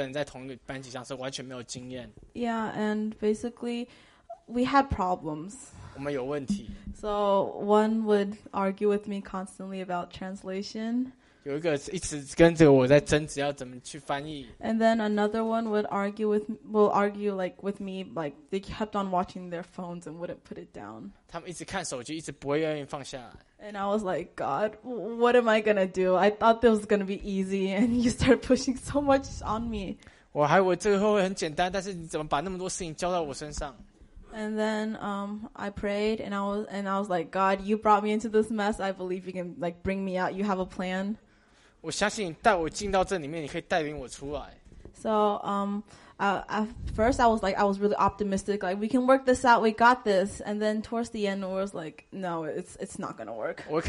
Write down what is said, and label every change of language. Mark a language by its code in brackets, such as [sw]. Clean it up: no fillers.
[zh] 所以我们是三个人，就两个志工，他们都也没参加过，就是一起来三个人在同一个班级上，是完全没有经验。 [en] Yeah, and basically, we had problems. [zh] 我们有问题。 [en] So one would argue with me constantly about translation. [zh] 有一个一直跟着我在争执要怎么去翻译。 [en] And then another one would argue with, will argue like with me, like they kept on watching their phones and wouldn't put it down. [zh] 他们一直看手机，一直不会愿意放下来。 [en] And I was like, God, what am I gonna do? I thought this was gonna be easy, and you start pushing so much on me. [zh] 我还以为这个会很简单，但是你怎么把那么多事情交到我身上？ [en] And then I prayed, and I was like, God, you brought me into this mess. I believe you can like bring me out. You have a plan. [zh] 我相信你带我进到这里面，你可以带领我出来。 [en] So at first I was like, I was really optimistic, like we can work this out, we got this. And then towards the end, I was like, no, it's not gonna work.